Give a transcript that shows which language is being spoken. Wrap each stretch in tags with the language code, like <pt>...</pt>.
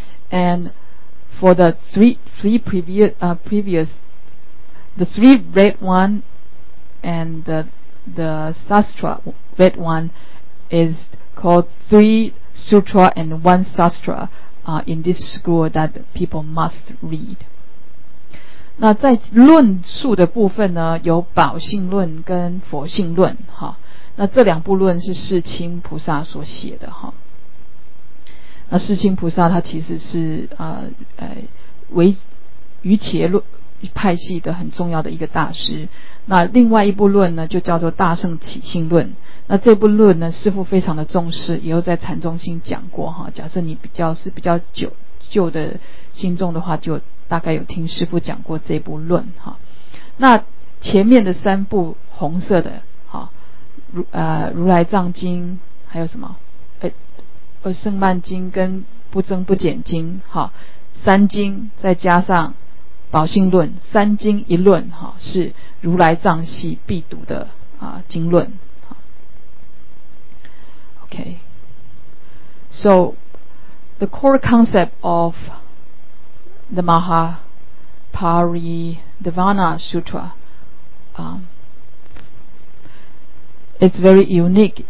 <en>And for the three previous, the three red one and the sastra red one is called three sutra and one sastra in this school that people must read.</en> <zh>那在论述的部分呢，有宝性论跟佛性论哈。那这两部论是世亲菩萨所写的哈。那世亲菩萨他其实是为瑜伽论派系的很重要的一个大师。那另外一部论呢，就叫做大圣起信论。那这部论呢，师父非常的重视，也有在禅宗心讲过哈。假设你比较旧的信众的话，就大概有听师父讲过这部论哈。那前面的三部红色的哈，如来藏经，还有什么？胜曼经跟不增不减经哈，三经再加上宝性论，三经一论哈，是如来藏系必读的经论。</zh> <en>OK, so the core concept of the Mahaparinirvana Sutra, it's very unique.</en>